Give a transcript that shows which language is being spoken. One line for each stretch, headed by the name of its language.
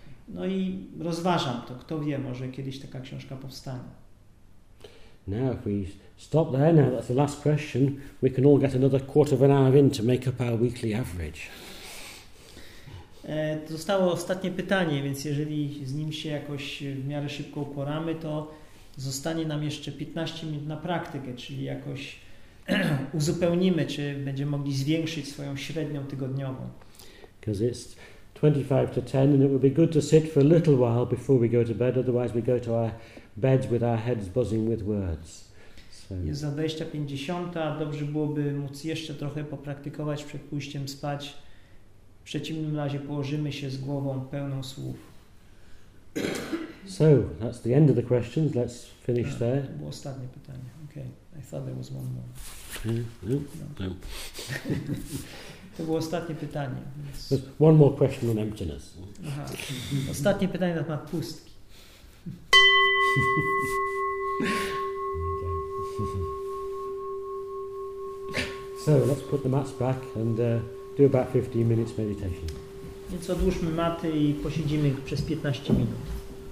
Polish: No i rozważam to, kto wie, może kiedyś taka książka powstanie.
English: Now if we stop there, now that's the last question, we can all get another quarter of an hour in to make up our weekly average. To zostało ostatnie pytanie, więc jeżeli z nim się jakoś w miarę szybko uporamy, to zostanie nam jeszcze 15 minut na praktykę, czyli jakoś uzupełnimy, czy będziemy mogli zwiększyć swoją średnią tygodniową. 25 to 10, and it would be good to sit for a little while before we go to bed, otherwise we go to our beds with our heads buzzing with words. So.
Polish: Jest za 20:50, dobrze byłoby móc jeszcze trochę popraktykować przed pójściem spać. W przeciwnym razie położymy się z głową pełną słów.
English: So, that's the end of the questions, let's finish there.
Polish: To było ostatnie pytanie, okay.
English: I thought there was one more. No.
Polish: To było ostatnie pytanie. Więc...
English: One more question on emptiness. Aha.
Polish: Ostatnie pytanie na temat pustki.
English: So, let's put the mats back and do about 15 minutes meditation.
Polish: Więc odłóżmy maty i posiedzimy przez 15 minut.